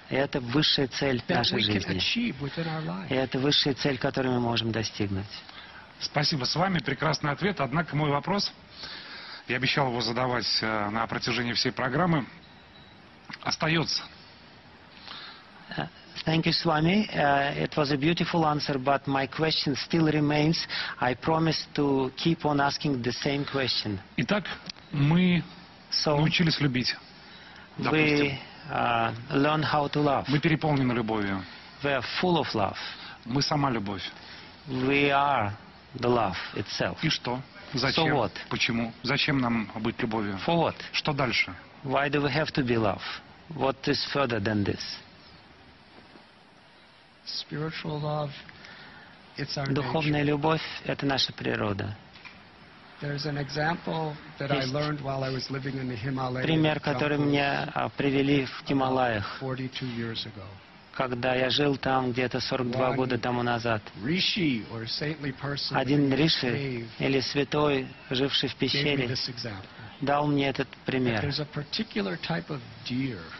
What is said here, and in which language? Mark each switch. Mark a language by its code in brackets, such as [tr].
[ru] И это высшая цель нашей жизни. И это высшая цель, которую мы можем достигнуть. Спасибо с вами. Прекрасный ответ. Однако мой вопрос, я обещал его задавать на протяжении всей программы, остается. [en] Thank you, Swami. It was a beautiful answer, but my question still remains. I promise to keep on asking the same question. [ru] Итак, мы научились любить. Допустим, [en] we learn how to love. [ru] Мы переполнены любовью. [en] We are full of love. [ru] Мы сама любовь. [en] We are the love itself. [ru] И что? Зачем? [en] So what? [ru] Почему? Зачем нам быть любовью? [en] For what? [ru] Что дальше? [en] Why do we have to be love? What is further than this? Spiritual love, it's our [ru] духовная любовь – это наша природа. [en] There's an example that I learned while I was living in the Himalayas. [ru] Пример, который мне привели в Гималаях. [en] 42 years ago. [ru] Когда я жил там где-то 42 года тому назад. [en] Риши or saintly person. Один риши или святой, живший в пещере, дал мне этот пример. There's a particular type of deer.